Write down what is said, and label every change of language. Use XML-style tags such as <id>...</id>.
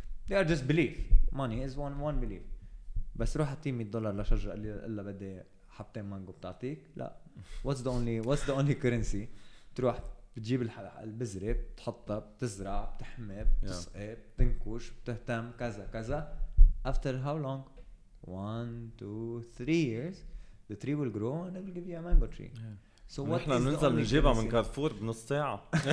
<en>They are just belief. Money is one belief.</en> <ar>بس روح اعطيه $100 لشجرة اللي الا بدي حبتين مانجو بتعطيك. لا.</ar> <en>What's the only currency?</en> <ar>تروح بتجيب البذرة بتحطها بتزرع بتحمي بتسقي بتنكش بتهتم كذا كذا.</ar> <en>After how long? 1-3 years the tree will grow and it will give you a mango tree. Yeah.</en> <ar>So what نحن ننزل نجيبها من كارفور بنص ساعة.</ar>